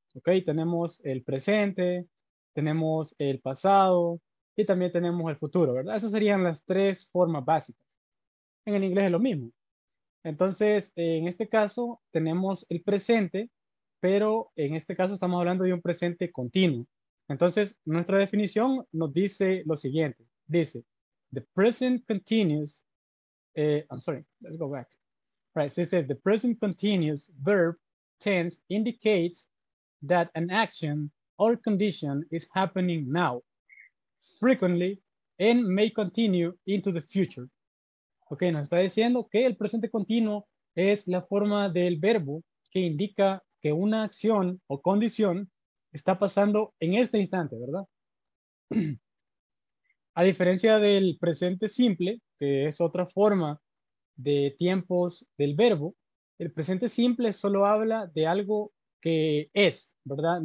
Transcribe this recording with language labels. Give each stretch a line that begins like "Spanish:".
Spanish: Ok, tenemos el presente, tenemos el pasado y también tenemos el futuro, ¿verdad? Esas serían las tres formas básicas. En el inglés es lo mismo. Entonces, en este caso, tenemos el presente, pero en este caso estamos hablando de un presente continuo. Entonces, nuestra definición nos dice lo siguiente. Dice,
English: the present continuous, I'm sorry, let's go back. Right, so it says the present continuous verb tense indicates that an action or condition is happening now, frequently, and may continue into the future.
Spanish: Okay, nos está diciendo que el presente continuo es la forma del verbo que indica que una acción o condición está pasando en este instante, ¿verdad? A diferencia del presente simple, que es otra forma de tiempos del verbo, el presente simple solo habla de algo que es, ¿verdad?